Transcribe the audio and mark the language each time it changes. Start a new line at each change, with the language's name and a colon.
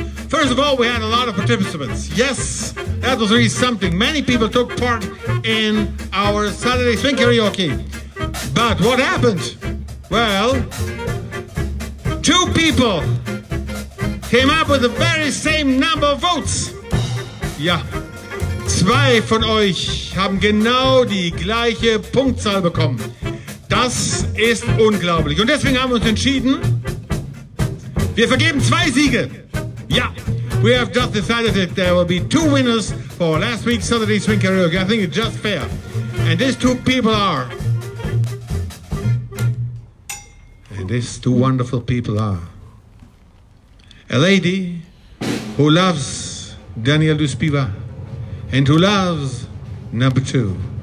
English: First of all, we had a lot of participants. Yes, that was really something. Many people took part in our Saturday Swing Karaoke. But what happened? Well, two people came up with the very same number of votes. Yeah.
German: Zwei von euch haben genau die gleiche Punktzahl bekommen. Das ist unglaublich. Und deswegen haben wir uns entschieden, wir vergeben zwei Siege.
English: Ja, we have just decided that there will be two winners for last week's Saturday Swing Karaoke. I think it's just fair. And these two people are... And these two wonderful people are... A lady who loves Daniel Duspiva and who loves number two.